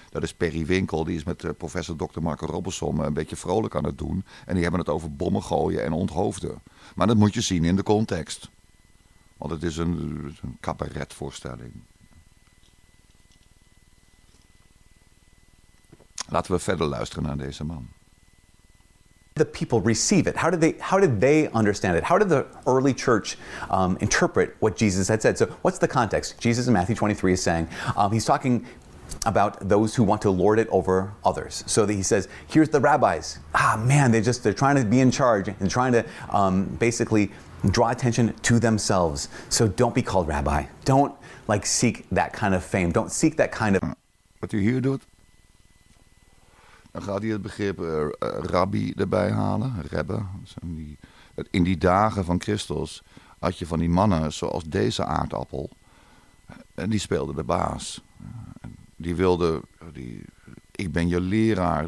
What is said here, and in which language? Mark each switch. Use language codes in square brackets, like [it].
[nl] Dat is Perry Winkel, die is met professor Dr. Marco Robbesom een beetje vrolijk aan het doen. En die hebben het over bommen gooien en onthoofden. Maar dat moet je zien in de context. Want het is een cabaretvoorstelling. Laten we verder luisteren naar deze man. [en] The people receive it. How did they understand it? How did the early church interpret what Jesus had said? So what's the context? Jesus in Matthew 23 is saying, he's talking about those who want to lord it over others. So that he says, here's the rabbis. Ah man, they're trying to be in charge and trying to basically draw attention to themselves. So don't be called rabbi. Don't like seek that kind of fame. Don't seek that kind of what do you hear, dude? [nl] Dan gaat hij het begrip rabbi erbij halen, rebbe. In die dagen van Christus had je van die mannen zoals deze aardappel. En die speelden de baas. Die wilden, ik ben je leraar.